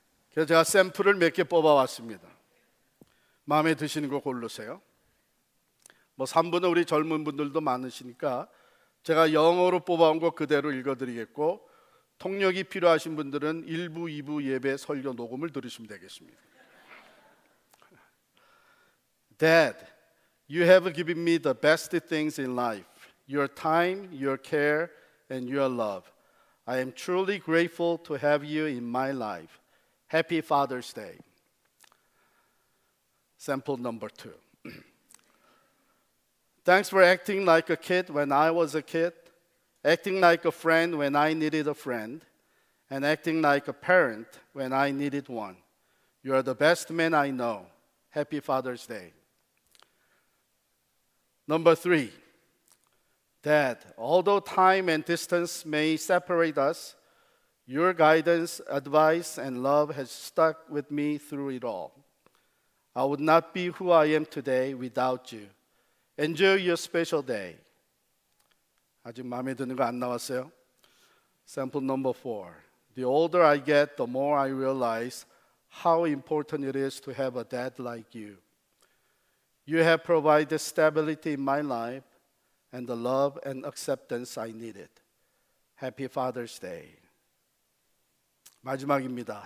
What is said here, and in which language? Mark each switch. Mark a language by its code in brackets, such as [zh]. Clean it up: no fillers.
[ko] 그래서 제가 샘플을 몇 개 뽑아왔습니다. 마음에 드시는 거 고르세요. 뭐 3분의 우리 젊은 분들도 많으시니까 제가 영어로 뽑아온 거 그대로 읽어드리겠고 통역이 필요하신 분들은 1부, 2부 예배 설교 녹음을 들으시면 되겠습니다. [en] Dad, you have given me the best things in life. Your time, your care, and your love. I am truly grateful to have you in my life. Happy Father's Day. Sample number 2. Thanks for acting like a kid when I was a kid, acting like a friend when I needed a friend, and acting like a parent when I needed one. You are the best man I know. Happy Father's Day. Number 3. Dad, although time and distance may separate us, your guidance, advice, and love has stuck with me through it all. I would not be who I am today without you. Enjoy your special day. [ko] 아직 마음에 드는 거 안 나왔어요? [en] Sample number 4. The older I get, the more I realize how important it is to have a dad like you. You have provided stability in my life and the love and acceptance I needed. Happy Father's Day. [ko] 마지막입니다.